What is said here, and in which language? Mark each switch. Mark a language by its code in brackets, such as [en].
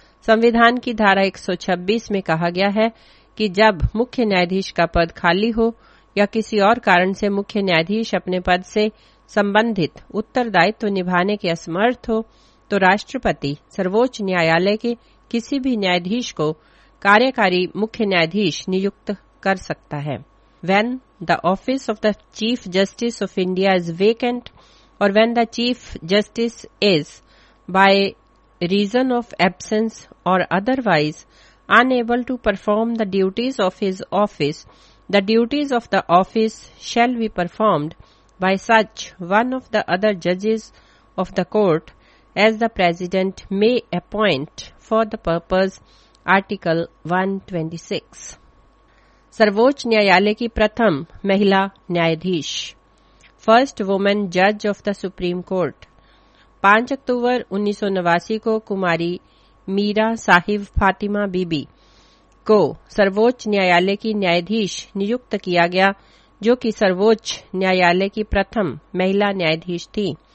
[hi] संविधान की धारा 126 में कहा गया है कि जब मुख्य न्यायाधीश का पद खाली हो या किसी और कारण से मुख्य न्यायाधीश अपने पद से संबंधित उत्तरदायित्व निभाने के असमर्थ हो तो राष्ट्रपति सर्वोच्च न्यायालय के किसी भी न्यायाधीश को कार्यकारी मुख्य न्यायाधीश नियुक्त कर सकता है। [en] When the office of the Chief Justice of India is vacant or when the Chief Justice is, by reason of absence or otherwise, unable to perform the duties of his office, the duties of the office shall be performed by such one of the other judges of the court as the President may appoint for the purpose, Article 126. [hi] सर्वोच्च न्यायालय की प्रथम महिला न्यायाधीश, [en] First women जज of the supreme court. [hi] 5 अक्टूबर 1989 को कुमारी मीरा साहिब फातिमा बीबी को सर्वोच्च न्यायालय की न्यायाधीश नियुक्त किया गया, जो कि सर्वोच्च न्यायालय की प्रथम महिला न्यायाधीश थी।